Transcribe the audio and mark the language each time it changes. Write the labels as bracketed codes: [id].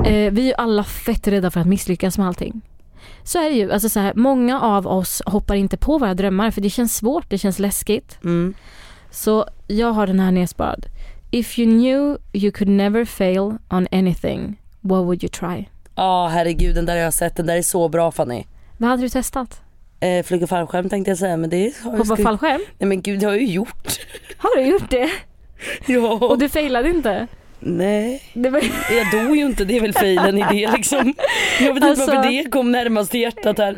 [sv] Vi är ju alla fett rädda för att misslyckas med allting. Så är det ju. Alltså så här, många av oss hoppar inte på våra drömmar för det känns svårt, det känns läskigt. Så jag har den här nedsparad. [en] If you knew you could never fail on anything, what would you try? [sv] Herregud, den där jag har sett. Den där är så bra, Fanny. Vad hade du testat? Flyga fallskärm tänkte jag säga, men det har hoppa fallskärm? Nej men gud, det har jag ju gjort. Har du gjort det? Ja. Och du failade inte? Nej. Det var... Jag dog ju inte, det är väl failen i det liksom. Jag vet inte varför det kom närmast till hjärtat här.